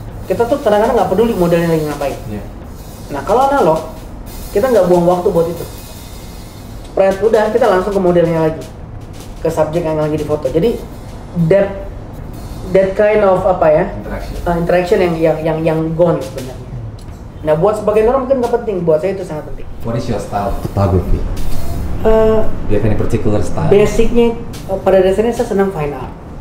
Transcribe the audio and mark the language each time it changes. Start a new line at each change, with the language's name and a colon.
Indonesian: Kita tuh kadang-kadang nggak peduli modelnya lagi ngapain. Nah kalau analog, kita nggak buang waktu buat itu. Jepret, udah, kita langsung ke modelnya lagi, ke subjek yang lagi difoto. Jadi
English: that kind of
Indonesian: apa ya,
English: interaction
Indonesian: yang gone sebenarnya. Nah buat sebagian orang mungkin nggak penting, buat saya itu sangat penting.
English: What is your style photography? Do you have any particular style?
Indonesian: Basicnya, pada dasarnya saya senang fine art.